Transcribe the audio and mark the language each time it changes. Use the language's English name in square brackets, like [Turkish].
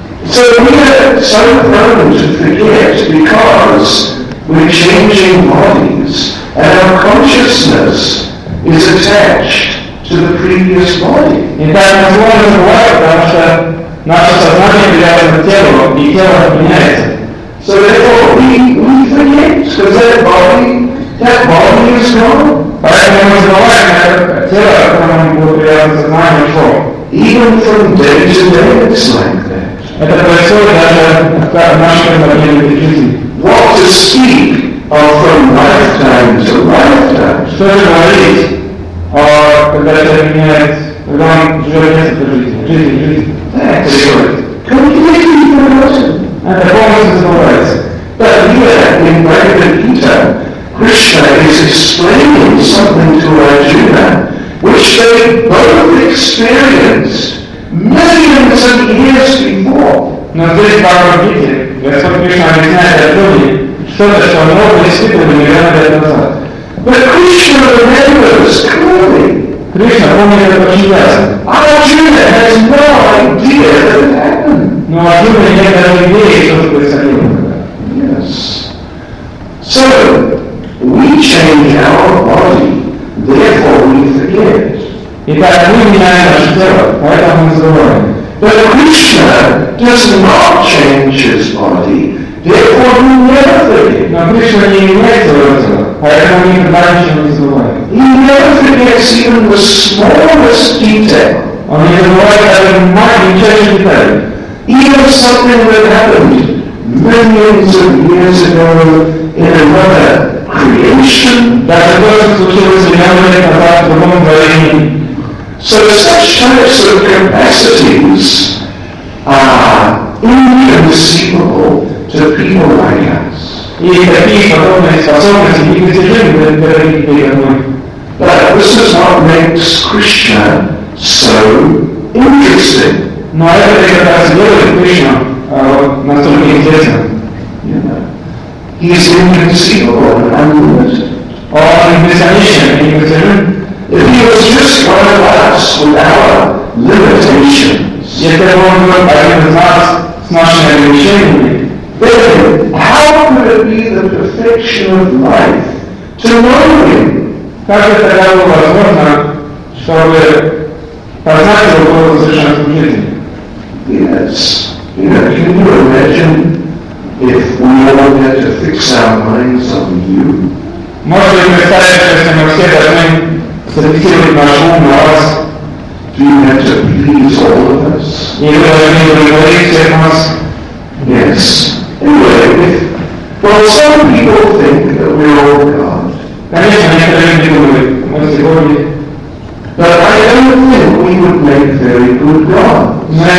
[English] So we are so prone to forget because we're changing bodies and our consciousness is attached to the previous body. In fact, as long as we're aware of that, [Russian] наше сознание привязано к телу, и тело меняется. [English] So therefore we forget, because that body is gone. [Russian] Поэтому мы забываем, что тело, к которому было привязано сознание, ушло. [English] Even from day to day it's like that. [Russian] Это происходит даже в нашем обмене жизни. [English] What to speak of from lifetime to lifetime? [Russian] Что же говорить, когда человек меняется, когда он живет несколько жизней? [English] Completely forgotten. The problem is always. But here in Bhagavad Gita, Krishna is explaining something to Arjuna, which they both experienced millions of years before. [Russian] Но здесь Бхагавад Гите, Господь Кришна объясняет Арджуне, что оно было испытано миллионы лет назад. [English] But Krishna remembers clearly. [Russian] Кришна помнит это очень ясно. [English] Arjuna has no idea that happened. [Russian] Но Арджуна не имеет даже идеи, что же происходило. [English] Yes. So, we change our body, therefore we forget. [Russian] Итак, мы меняем наше тело, поэтому мы забываем. [English] But Krishna does not change his body, therefore we never forget. [Russian] Но Кришна не имеет своего тела. Поэтому мы никогда ничего не забываем. [English] He never forgets even the smallest detail. [Russian] Он не забывает даже маленький детали. [English] Even something that happened millions of years ago in another creation. [Russian] Даже то, что случилось миллионы лет назад в другом творении. [English] So such types of capacities are inconceivable to people like us. [Russian] И такие подобные способности не достижимы для других людей. [English] But this is what makes Krishna so interesting. [Russian] Но это не как раз делает Кришна настолько интересно. [English] He is inconceivable and unlimited. [Russian] Он бесконечен и недостижим. [English] If he was just one of us with our limitations. [Russian] Если бы он был один из нас с нашими ограничениями. [English] Then, how could it be the perfection of life to know him? [Russian] Как это было возможно, чтобы познать его было совершенно жизни? [English] Yes. You know, can you imagine if we all had to fix our minds on you? [Russian] Может ли представить, что если мы все должны зафиксировать наш ум на вас? [English] Do you have to please all of us? Yes. Anyway, some people think that we're all God. But I don't think we would make very good gods.